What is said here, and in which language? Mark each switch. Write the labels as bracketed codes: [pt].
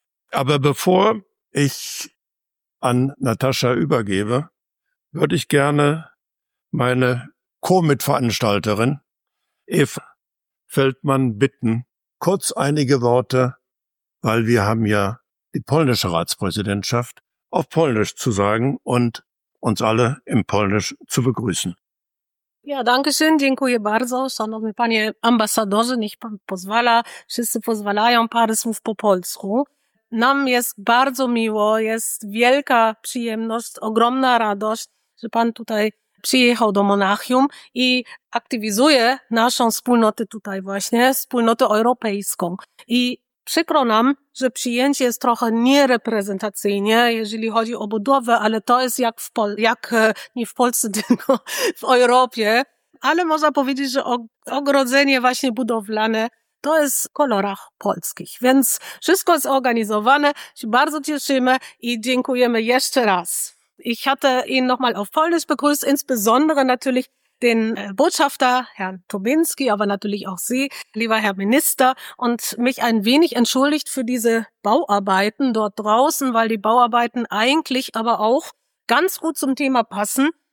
[de] Aber bevor ich an Natascha übergebe, würde ich gerne meine Co-Mitveranstalterin Eva Feldmann bitten, kurz einige Worte, weil wir haben ja die polnische Ratspräsidentschaft, auf Polnisch zu sagen und uns alle im Polnisch zu begrüßen. Ja, danke schön, [pl] dziękuję bardzo, szanowny panie ambasadorze, niech pan pozwala, wszyscy pozwalają, parę słów po polsku. Nam jest bardzo miło, jest wielka przyjemność, ogromna radość, że pan tutaj przyjechał do Monachium i aktywizuje naszą wspólnotę tutaj właśnie, wspólnotę europejską. I przykro nam, że przyjęcie jest trochę niereprezentacyjne, jeżeli chodzi o budowę, ale to jest jak nie w Polsce, tylko w Europie. ale można powiedzieć, że ogrodzenie właśnie budowlane to jest w kolorach polskich. Więc wszystko jest organizowane, się bardzo cieszymy i dziękujemy jeszcze raz. [de] Ich hatte ihn nochmal auf Polnisch begrüßt, insbesondere natürlich den Botschafter, Herrn Tobinski, aber natürlich auch Sie, lieber Herr Minister, und mich ein wenig entschuldigt für diese Bauarbeiten dort draußen, weil die Bauarbeiten eigentlich aber auch ganz gut zum Thema passen.